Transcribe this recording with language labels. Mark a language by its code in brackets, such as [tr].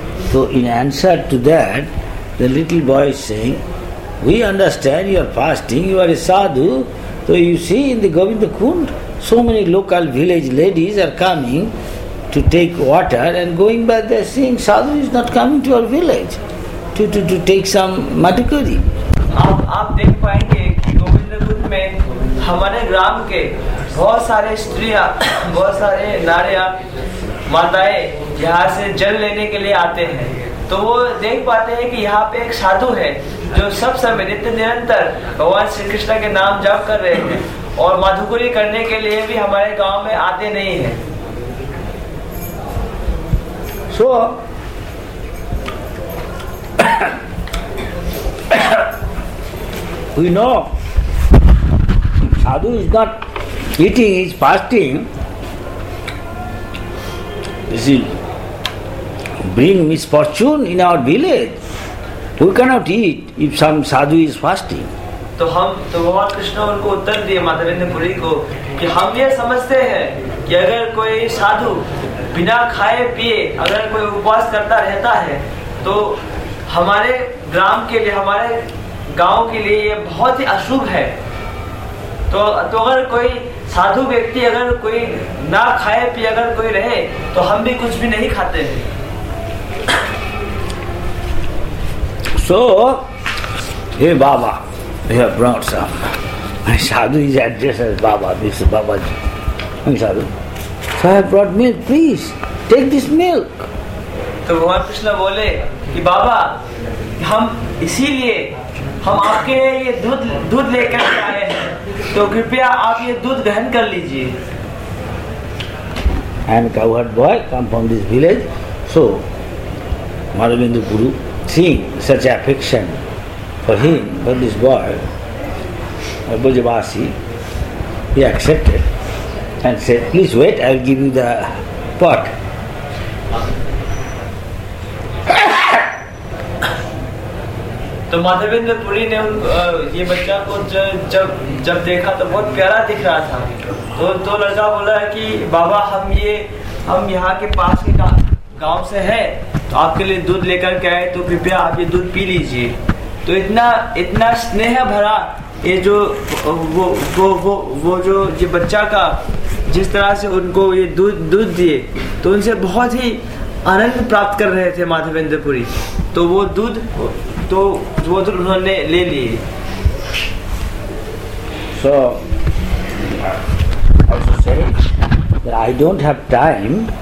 [en] So in answer to that, the little boy is saying, "We understand you are fasting. You are a sadhu. So you see in the Govinda Kund, so many local village ladies are coming to take water and going back. They are seeing sadhu is not coming to our village to take some madhukari." [hi] आप देख पाएंगे गोविंदा कुंड में हमारे ग्राम के बहुत सारे स्त्रियाँ, बहुत सारे नारियाँ माताएं यहाँ से जल लेने के लिए आते हैं, तो वो देख पाते हैं कि यहाँ पे एक साधु है जो सब समय नित्य निरंतर भगवान श्री कृष्ण के नाम जप कर रहे हैं और माधुकरी करने के लिए भी हमारे गांव में आते नहीं हैं। [en] So we know sadhu is not eating, is fasting. This is bring misfortune in our village. We cannot eat if some sadhu is fasting. [hi] तो हम तो भगवान कृष्ण उनको उत्तर दिए माधवेंद्र पुरी को कि हम ये समझते हैं कि अगर कोई साधु बिना खाए पिए अगर कोई उपवास करता रहता है तो हमारे ग्राम के लिए हमारे गांव के लिए ये बहुत ही अशुभ है। तो अगर कोई साधु व्यक्ति अगर कोई ना खाए पिए अगर कोई रहे तो हम भी कुछ भी नहीं खाते हैं। [en] So, hey Baba, we have brought some. My sadhu is addressed as Baba, this is Babaji. My sadhu. So I have brought milk, please, take this milk. [hi] तो भगवान कृष्ण बोले कि बाबा हम इसीलिए हम आपके ये दूध लेकर आए हैं तो कृपया आप ये दूध ग्रहण कर लीजिए। [en] And cowherd boy come from this village, so Madhavendra Guru seeing such affection for him, for this boy, Bhujavasi, he accepted and said, "Please wait, I'll give you the pot." [hi] तो माधवेंद्र पुरी ने ये बच्चा को जब जब देखा तो बहुत प्यारा दिख रहा था, तो लड़का बोला कि बाबा हम यहाँ के पास के गांव से है तो आपके लिए दूध लेकर के आए तो कृपया आप ये दूध पी लीजिए। तो इतना इतना स्नेह भरा ये जो वो वो वो वो जो ये बच्चा का जिस तरह से उनको ये दूध दिए तो उनसे बहुत ही आनंद प्राप्त कर रहे थे माधवेंद्र पुरी, तो वो दूध तो वो तो उन्होंने ले लिए। [en] So, also say that I don't have time.